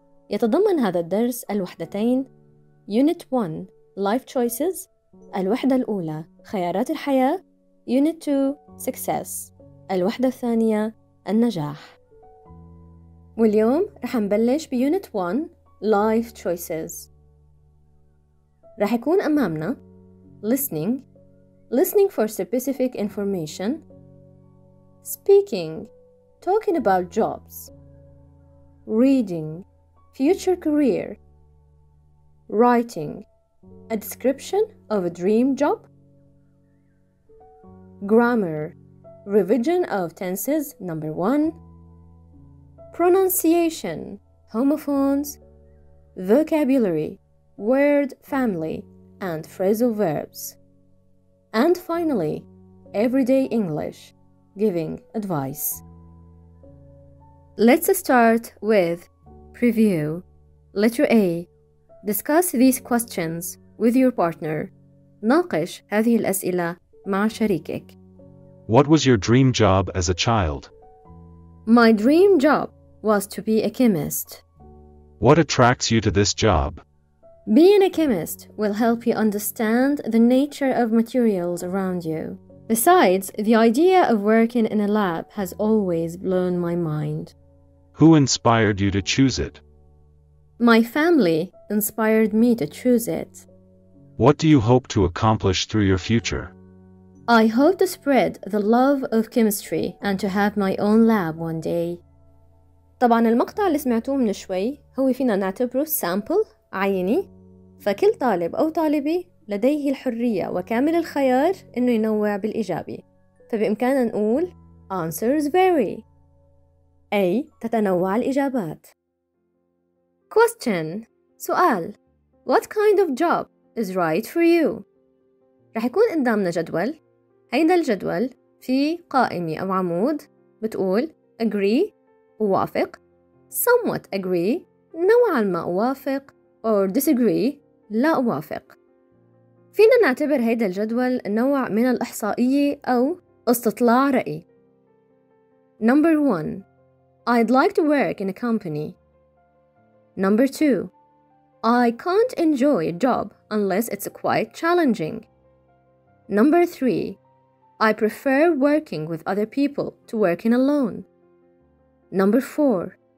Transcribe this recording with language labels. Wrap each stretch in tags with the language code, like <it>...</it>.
<ar>يتضمن هذا الدرس الوحدتين.</ar> <en>Unit 1. Life choices.</en> <ar>الوحدة الأولى. خيارات الحياة.</ar> <en>Unit 2. Success.</en> <ar>الوحدة الثانية. النجاح. واليوم رح نبلش بUnit 1.</ar> <en>Life choices.</en> <ar>رح يكون أمامنا</ar> <en>listening, listening for specific information, speaking, talking about jobs, reading, future career, writing, a description of a dream job, grammar, revision of tenses number one, pronunciation, homophones, vocabulary, word family and phrasal verbs, and finally everyday English giving advice. Let's start with preview. Letter A. Discuss these questions with your partner.</en> <ar>ناقش هذه الأسئلة مع شريكك.</ar> <en>What was your dream job as a child? My dream job was to be a chemist. What attracts you to this job? Being a chemist will help you understand the nature of materials around you. Besides, the idea of working in a lab has always blown my mind. Who inspired you to choose it? My family inspired me to choose it. What do you hope to accomplish through your future? I hope to spread the love of chemistry and to have my own lab one day.</en> <ar>طبعاً المقطع اللي سمعتوه من شوي هو فينا نعتبره sample عيني، فكل طالب أو طالبة لديه الحرية وكامل الخيار إنه ينوع بالإجابة. فبإمكاننا نقول</ar> <en>answers vary،</en> <ar>أي تتنوع الإجابات.</ar> <en>Question، سؤال. What kind of job is right for you؟</en> <ar>رح يكون قدامنا جدول. هيدا الجدول فيه قائمة أو عمود بتقول</ar> <en>agree</en> <ar>ووافق،</ar> <en>somewhat agree</en> <ar>نوعا ما أوافق،</ar> <en>or disagree</en> <ar>لا أوافق. فينا نعتبر هيدا الجدول نوع من الإحصائية أو استطلاع رأي.</ar> <en>Number 1. I'd like to work in a company. Number 2. I can't enjoy a job unless it's quite challenging. Number 3. I prefer working with other people to working alone. Number 4.</en>